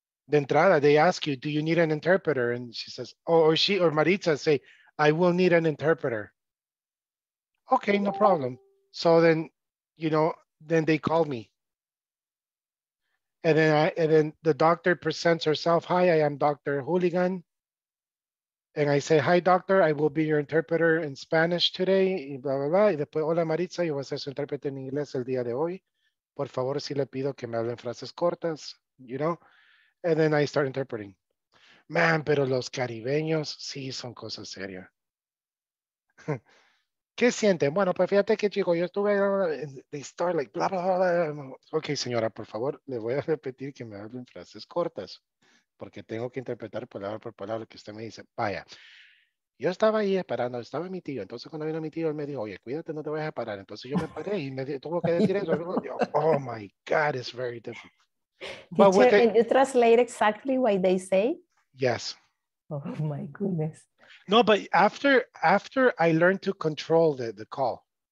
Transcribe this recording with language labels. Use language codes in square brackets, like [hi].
[es] De entrada, [en] they ask you, do you need an interpreter? And she says, or Maritza say, I will need an interpreter. Okay, no problem. So then, you know, then they call me. And then the doctor presents herself. Hi, I am Dr. Hooligan. And I say, hi, doctor, I will be your interpreter in Spanish today. [es] Y blah, blah, blah. Y después, hola, Maritza, yo voy a ser su intérprete en inglés el día de hoy. Por favor, si le pido que me hablen frases cortas. [en] you know? And then I start interpreting. Man, [es] pero los caribeños sí son cosas serias. ¿Qué sienten? Bueno, pues fíjate que chico, yo estuve, [en] they start like blah, blah, blah, blah. [es] Ok, señora, por favor, le voy a repetir que me hablen frases cortas, porque tengo que interpretar palabra por palabra lo que usted me dice. Vaya, yo estaba ahí esperando, estaba mi tío, entonces cuando vino mi tío, él me dijo, oye, cuídate, no te vayas a parar. Entonces yo me paré y me tuvo que decir eso. [en] Yo, oh my God, it's very difficult. Teacher, can you translate exactly what they say? Yes. Oh my goodness. No, but after I learned to control the call.